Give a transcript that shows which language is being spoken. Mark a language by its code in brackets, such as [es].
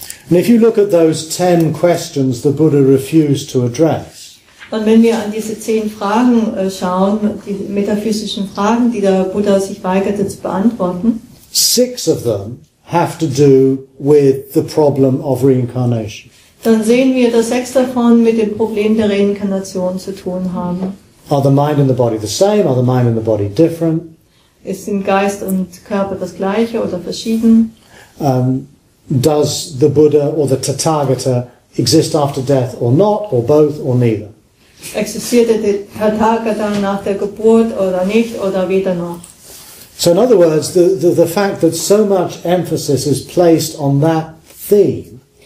[en] And if you look at those 10 questions the Buddha refused to address. [de] Und wenn wir an diese 10 Fragen schauen, die metaphysischen Fragen, die der Buddha sich weigerte zu beantworten, [en] 6 of them have to do with the problem of reincarnation. [de] dann sehen wir, dass 6 davon mit dem Problem der Reinkarnation zu tun haben. [en] Are the mind and the body the same? Are the mind and the body different? [de] Ist im Geist und Körper das gleiche oder verschieden? [en] Does the Buddha or the Tathagata exist after death or not, or both or neither? [de] Existierte der Tathagata nach der Geburt oder nicht oder weder noch? [en] So in other words, the fact that so much emphasis is placed on that theme.